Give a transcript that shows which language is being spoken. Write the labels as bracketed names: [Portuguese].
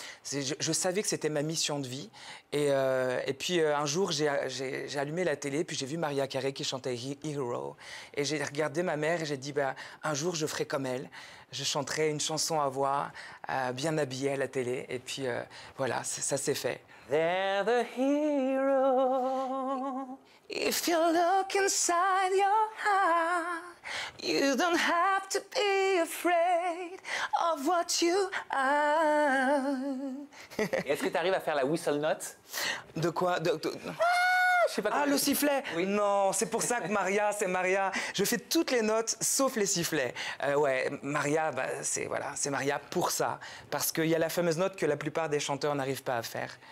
[French] Je savais que c'était ma mission de vie. Et puis, un jour, j'ai allumé la télé, puis j'ai vu Mariah Carey qui chantait Hero. Et j'ai regardé ma mère et j'ai dit, bah, un jour, je ferai comme elle. Je chanterai une chanson à voix, bien habillée à la télé. Et puis, voilà, ça s'est fait. [English] They're the hero. If you look inside your heart, you don't have to be afraid of what you are. [French] Est-ce que tu arrives à faire la whistle note? De quoi? Je sais pas comment... Ah, le sifflet. Oui. Non, c'est pour ça que Maria, c'est Maria. Je fais toutes les notes sauf les sifflets. Ouais, Maria, bah, c'est voilà, c'est Maria pour ça. Parce qu'il y a la fameuse note que la plupart des chanteurs n'arrivent pas à faire.